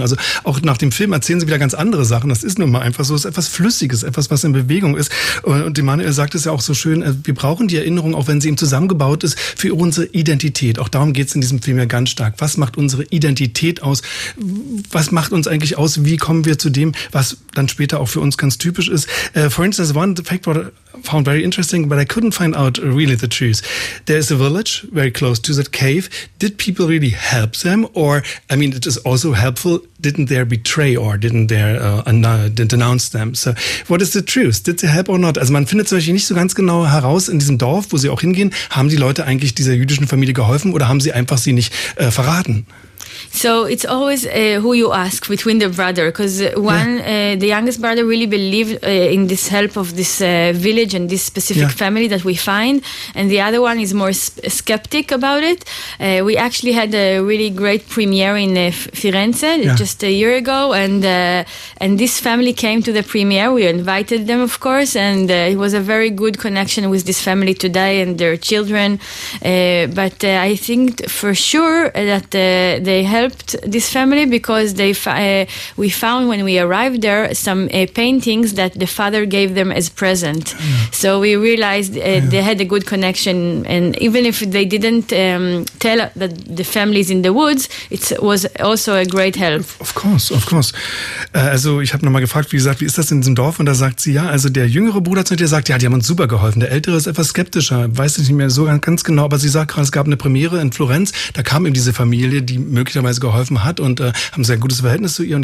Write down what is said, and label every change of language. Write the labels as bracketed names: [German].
[German] Also, auch nach dem Film erzählen sie wieder ganz andere Sachen. Das ist nun mal einfach so. Es ist etwas Flüssiges, etwas, was in Bewegung ist. Und Emmanuel sagt es ja auch so schön, wir brauchen die Erinnerung, auch wenn sie eben zusammengebaut ist, für unsere Identität. Auch darum geht es in diesem Film ja ganz stark. Was macht unsere Identität aus? Was macht uns eigentlich aus? Wie kommen wir zu dem, was dann später auch für uns ganz typisch ist? [English] For instance, one fact what I found very interesting, but I couldn't find out really the truth. There is a village very close to that cave. Did people really help them? Or, I mean, it is also helpful. Didn't they betray or didn't they denounce them? So what is the truth? Did they help or not? [German] Also man findet zum Beispiel nicht so ganz genau heraus in diesem Dorf, wo sie auch hingehen, haben die Leute eigentlich dieser jüdischen Familie geholfen oder haben sie einfach sie nicht verraten? [English] So it's always who you ask between the brother, because the youngest brother really believed in this help of this village and this specific family that we find, and the other one is more skeptic about it. We actually had a really great premiere in Firenze just a year ago, and this family came to the premiere. We invited them, of course, and it was a very good connection with this family today and their children. But I think for sure that they helped this family because they we found when we arrived there some paintings that the father gave them as present. Yeah. So we realized they had a good connection, and even if they didn't tell that the family's in the woods, it was also a great help. Of course, of course. [German] Also ich habe nochmal gefragt, wie gesagt, wie ist das in diesem Dorf? Und da sagt sie, ja, also der jüngere Bruder zu dir sagt, ja, die haben uns super geholfen. Der ältere ist etwas skeptischer, weiß ich nicht mehr so ganz genau, aber sie sagt gerade, es gab eine Premiere in Florenz, da kam eben diese Familie, die möglicherweise geholfen hat und haben sehr gutes Verhältnis zu ihr.